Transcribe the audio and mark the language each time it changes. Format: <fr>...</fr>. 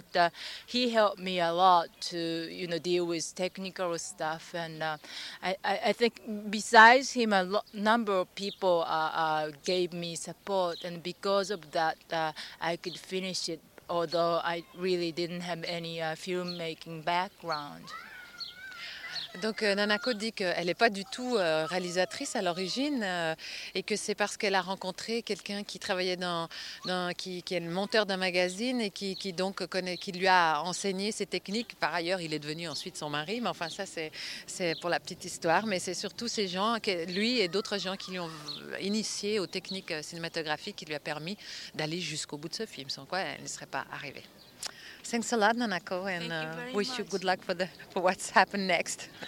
<en>But he helped me a lot to, you know, deal with technical stuff. And I think besides him, a number of people gave me support, and because of that, I could finish it, although I really didn't have any filmmaking background.</en> <fr>Donc Nanako dit qu'elle n'est pas du tout réalisatrice à l'origine et que c'est parce qu'elle a rencontré quelqu'un qui travaillait qui est le monteur d'un magazine et qui lui a enseigné ses techniques. Par ailleurs, il est devenu ensuite son mari, mais enfin ça c'est pour la petite histoire. Mais c'est surtout ces gens, lui et d'autres gens qui lui ont initié aux techniques cinématographiques qui lui a permis d'aller jusqu'au bout de ce film, sans quoi elle ne serait pas arrivée.</fr> <en>Thanks a lot, Nanako, and wish you good luck for what's happened next.</en>